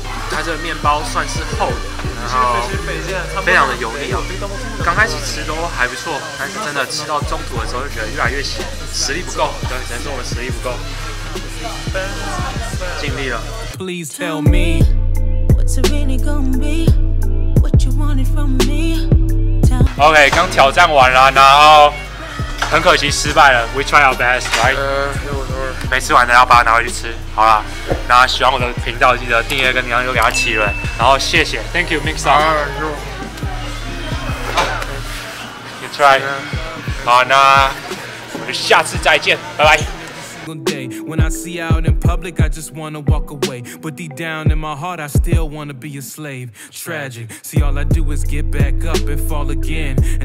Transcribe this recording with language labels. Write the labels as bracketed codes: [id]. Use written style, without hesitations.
[zh] 它这个面包算是厚的，然后非常的油腻啊。刚开始吃都还不错，但是真的吃到中途的时候就觉得越来越咸，实力不够，对，只能说我们实力不够，尽力了。 [en] Please tell me, what's it really gonna be? What you wanted from me? [zh] OK, 刚挑战完了，然后很可惜失败了。 [en] We try our best, right? [zh] 没吃完的要把它拿回去吃。好啦，那喜欢我的频道记得订阅跟铃铛又给它起了。 [en] 然后谢谢，Thank you, Mixer. You try. [zh] 好，那我们下次再见，拜拜。 [en] Day. When I see out in public, I just wanna walk away. But deep down in my heart, I still wanna be a slave. Tragic. See, all I do is get back up and fall again. And